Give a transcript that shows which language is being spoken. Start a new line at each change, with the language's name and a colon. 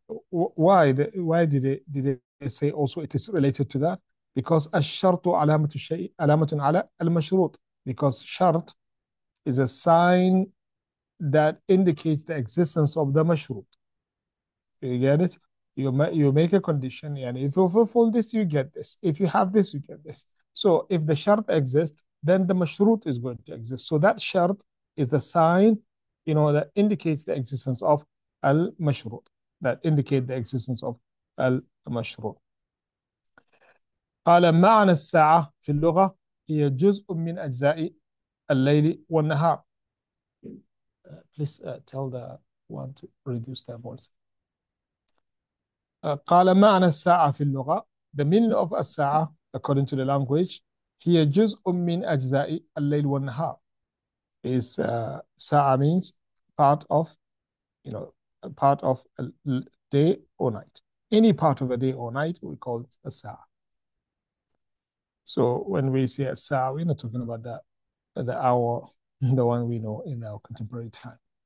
English: Why did they say also it is related to that?
Arabic: Because الشرط علامة الشيء علامة على المشروط.
English: Because شرط is a sign that indicates the existence of the مشروط. You get it? You make a condition, and if you fulfill this, you get this. If you have this, you get this. So if the shart exists, then the mashrut is going to exist. So that shart is a sign, you know, that indicates the existence of al-mashrut, that indicate the existence of al-mashrut.
Arabic: قال معنى الساعة في اللغة هي جزء من أجزاء الليل والنهار.
English: Please tell the one to reduce their voice.
Arabic: قال معنى الساعة في اللغة. The meaning of الساعة according to the language هي جزء من أجزاء الليل والنهار.
English: Is ساعة means part of, you know, part of day or night. Any part of a day or night we call it a ساعة. So when we say a ساعة, we're not talking about the hour, the one we know in our contemporary time.